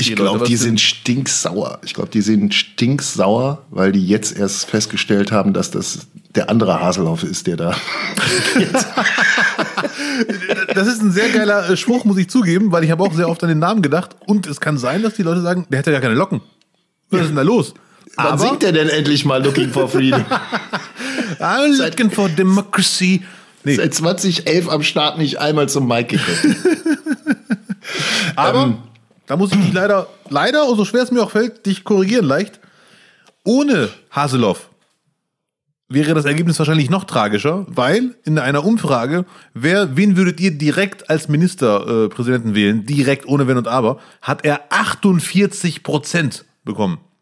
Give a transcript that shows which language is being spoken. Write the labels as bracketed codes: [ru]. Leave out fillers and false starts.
[de] Ich glaube, die sind stinksauer. Ich glaube, die sind stinksauer, weil die jetzt erst festgestellt haben, dass das der andere Haselhoff ist, der da. Das ist ein sehr geiler Spruch, muss ich zugeben, weil ich habe auch sehr oft an den Namen gedacht. Und es kann sein, dass die Leute sagen, der hat ja gar keine Locken. Was ist denn da los? Wann singt der denn endlich mal Looking for Freedom? [en] I'm looking for democracy. [de] Nee. Seit 2011 am Start nicht einmal zum Mike gekommen. Aber da muss ich dich leider, so schwer es mir auch fällt, dich korrigieren leicht. Ohne Haseloff wäre das Ergebnis wahrscheinlich noch tragischer, weil in einer Umfrage, wen würdet ihr direkt als Ministerpräsidenten wählen, direkt ohne Wenn und Aber, hat er 48% bekommen.